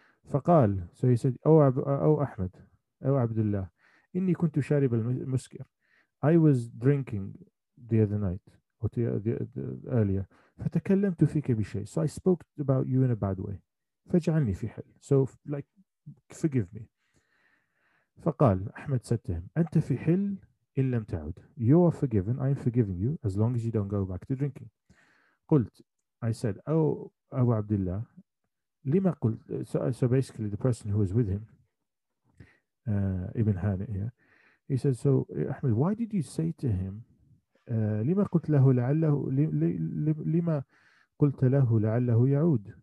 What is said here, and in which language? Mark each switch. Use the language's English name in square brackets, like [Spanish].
[Arabic] فقال, [English] so he said, [Arabic] أو أحمد أو عبد الله إني كنت شارب المسكر. [English] I was drinking the other night or the earlier. [Arabic] فتكلمت فيك بشيء. [English] So I spoke about you in a bad way. [Arabic] فجعلني في حل. [English] So like, forgive me. [Arabic] فقال, أحمد [English] said to him, [Arabic] أنت في حل إن لم تعود. [English] You are forgiven. I'm forgiving you as long as you don't go back to drinking. [Arabic] قلت, [English] I said, [Arabic] أو عبد الله. [English] So basically the person who was with him, Ibn Hani, yeah, he says, so Ahmed, why did you say to him, [Arabic] لِمَا قُلْتَ لَهُ لَعَلَّهُ لِمَا قُلْتَ لَهُ لَعَلَّهُ يَعُودُ.